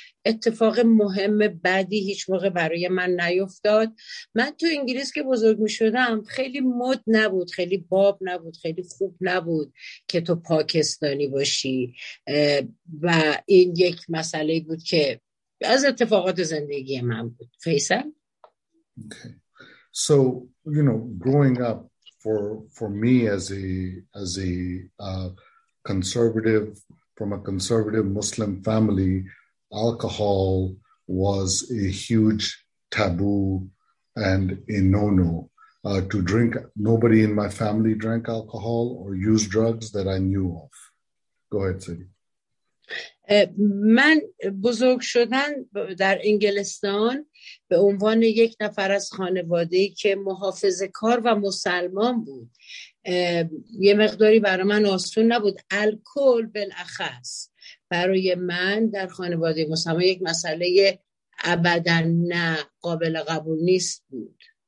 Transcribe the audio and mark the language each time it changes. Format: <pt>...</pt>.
<fa>اتفاق مهم بعدی هیچ موقع برای من نیفتاد. من تو انگلیس که بزرگ می شدم خیلی مد نبود، خیلی باب نبود، خیلی خوب نبود که تو پاکستانی باشی و این یک مسئله بود که از اتفاقات زندگی من بود. فیصل؟</fa> <en>So, you know, growing up for me as a conservative, from a conservative Muslim family, alcohol was a huge taboo and a no-no. To drink, nobody in my family drank alcohol or used drugs that I knew of. Go ahead, Sadie.</en> <fa>من بزرگ شدن در انگلستان به عنوان یک نفر از خانواده که محافظه کار و مسلمان بود، یه مقداری برای من آسون نبود. الکل بالاخص برای من در خانواده مسلمان یک مسئله ابدا نه قابل قبول نیست بود.</fa>